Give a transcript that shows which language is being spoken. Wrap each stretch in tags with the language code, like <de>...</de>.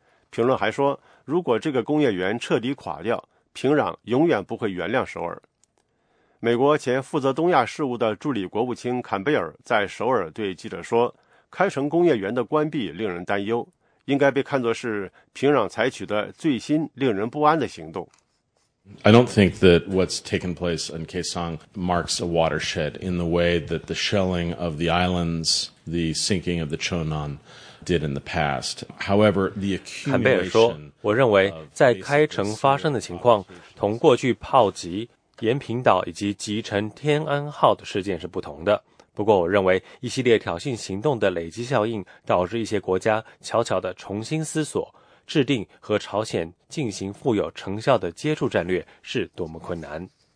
<zh>评论还说，如果这个工业园彻底垮掉，平壤永远不会原谅首尔。美国前负责东亚事务的助理国务卿坎贝尔在首尔对记者说，开城工业园的关闭令人担忧，应该被看作是平壤采取的最新令人不安的行动。</zh> <en>I don't think that what's taken place in Kaesong marks a watershed in the way that the shelling of the islands, the sinking of the Cheonan did in the past. However, the accumulation.</en> <zh>坎贝尔说，我认为在开城发生的情况同过去炮击延平岛以及击沉天安号的事件是不同的。不过我认为一系列挑衅行动的累积效应导致一些国家悄悄地重新思索制定和朝鲜进行富有成效的接触战略是多么困难。</zh>